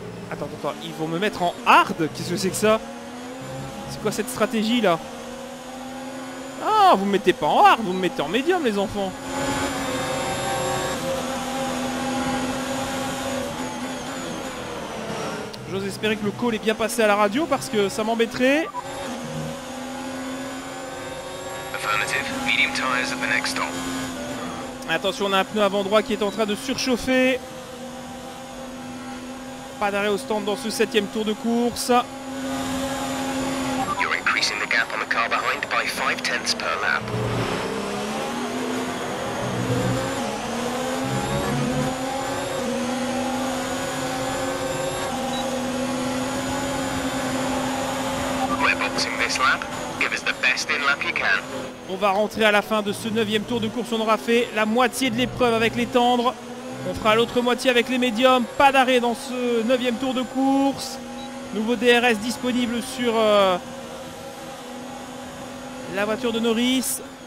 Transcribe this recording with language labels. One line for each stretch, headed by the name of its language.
French: Attends, ils vont me mettre en hard? Qu'est-ce que c'est que ça? C'est quoi cette stratégie là? Ah, vous me mettez pas en hard, vous me mettez en médium les enfants. J'ose espérer que le call est bien passé à la radio parce que ça m'embêterait.
English: Affirmative, medium tires at the next stop.
French: Attention, on a un pneu avant droit qui est en train de surchauffer. Pas d'arrêt au stand dans ce 7ème tour de course.
English: You're increasing the gap on the car behind by 5 tenths per lap. We're boxing this lap. Give us the best in lap you can.
French: On va rentrer à la fin de ce 9ème tour de course. On aura fait la moitié de l'épreuve avec les tendres. On fera l'autre moitié avec les médiums. Pas d'arrêt dans ce 9ème tour de course. Nouveau DRS disponible sur la voiture de Norris.